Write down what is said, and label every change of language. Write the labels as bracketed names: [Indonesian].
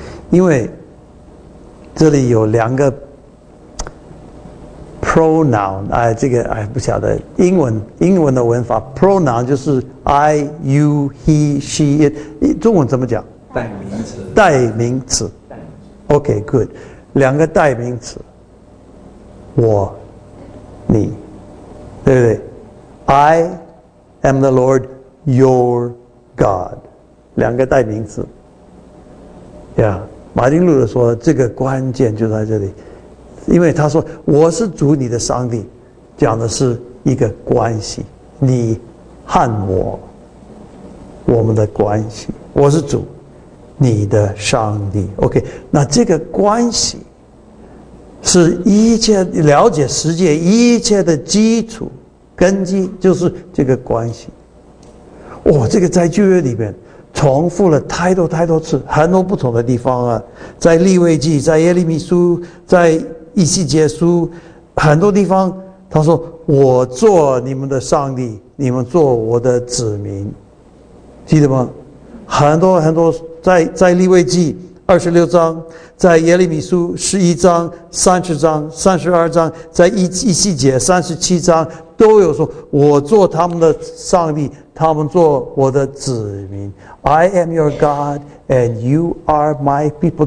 [Chinese] 因为这里有两个 pronoun， 不晓得英文的文法 pronoun 就是 [English] I you he she it， [Chinese] 中文怎么讲？代名词。 OK good， 两个代名词，我你，对不对？ [English] I am the Lord your God， 两个代名词。 [Chinese] Yeah， 马丁路德说这个关键就在这里，因为他说我是主你的上帝，讲的是一个关系，你和我们的关系，我是主你的上帝。 OK， 那这个关系是一切了解世界一切的基础根基，就是这个关系。哇，这个在旧约里面重复了太多太多次，很多不同的地方啊，在利未记，在耶利米书，在以西结书，很多地方他说我做你们的上帝，你们做我的子民，记得吗？很多很多，在利未记，二十六章，在耶利米书十一章、三十章、三十二章，在一细节三十七章都有说：“我做他们的上帝，他们做我的子民。” [English] I am your God and you are my people。